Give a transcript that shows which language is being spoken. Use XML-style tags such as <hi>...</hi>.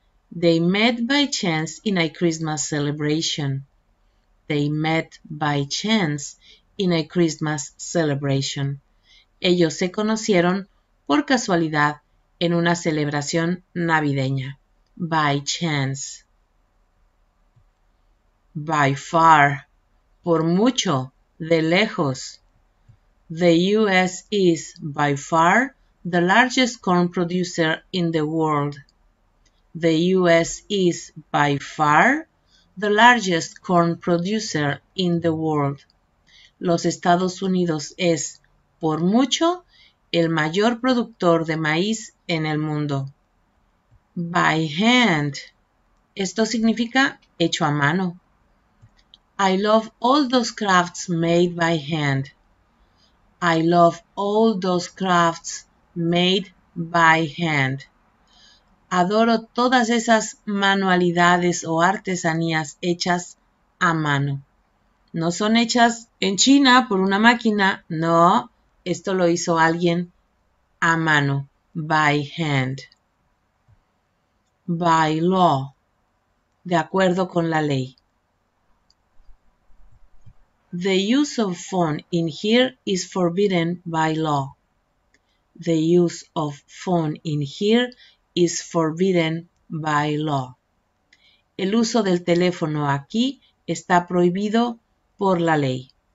<en>They met by chance in a Christmas celebration. They met by chance in a Christmas celebration.</en> <es>Ellos se conocieron por casualidad en una celebración navideña.</es> <en>By chance.</en> <es>By far. Por mucho. De lejos.</es> <en>The US is by far the largest corn producer in the world. The US is by far the largest corn producer in the world.</en> <es>Los Estados Unidos es por mucho el mayor productor de maíz en el mundo. By hand. Esto significa hecho a mano.</es> <en>I love all those crafts made by hand. I love all those crafts made by hand.</en> <es>Adoro todas esas manualidades o artesanías hechas a mano. No son hechas en China por una máquina, no. Esto lo hizo alguien a mano, by hand. By law, de acuerdo con la ley.</es> <en>The use of phone in here is forbidden by law. The use of phone in here is forbidden by law.</en> <es>El uso del teléfono aquí está prohibido por la ley.</es>